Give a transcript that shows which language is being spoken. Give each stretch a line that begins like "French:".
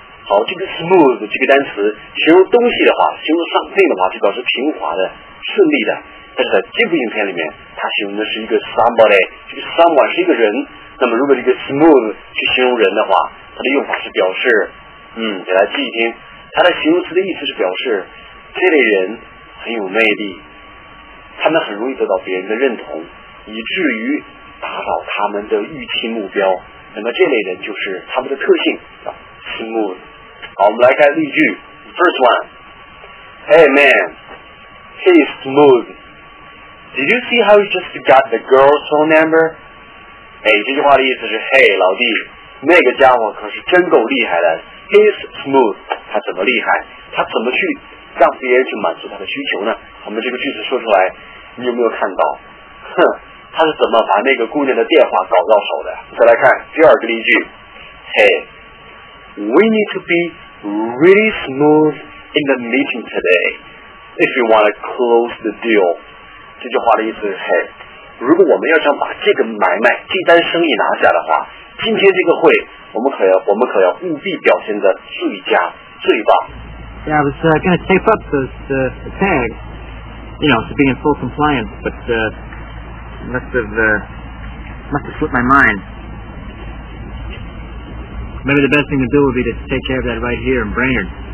Chinese: 好，这个 smooth 这个单词形容东西的话，形容 something 的话，就表示平滑的、顺利的。但是在这部影片里面，它形容的是一个 somebody， 这个 someone 是一个人。那么如果这个 smooth 去形容人的话，它的用法是表示。给大家记一听，它的形容词的意思是表示这类人很有魅力，他们很容易得到别人的认同，以至于达到他们的预期目标。那么这类人就是他们的特性叫 smooth。好，我们来看例句。
English: First one， Hey man， he is smooth， Did you see how he just got the girl's phone number？
Chinese: 这句话的意思是，嘿老弟，那个家伙可是真够厉害的。
English: Is smooth，
Chinese: 他怎么厉害？他怎么去让别人去满足他的需求呢？我们这个句子说出来，你有没有看到？哼，他是怎么把那个姑娘的电话搞到手的？再来看第二个例句。
English: Hey， we need to be really smooth in the meeting today if you want to close the deal。
Chinese: 这句话的意思是，如果我们要想把这个买卖、这单生意拿下的话，今天这个会。我们可要务必表现得最佳、最棒。
English: Yeah, I was going to tape up the tag, you know, to be in full compliance, but must have slipped my mind. Maybe the best thing to do would be to take care of that right here in Brainerd.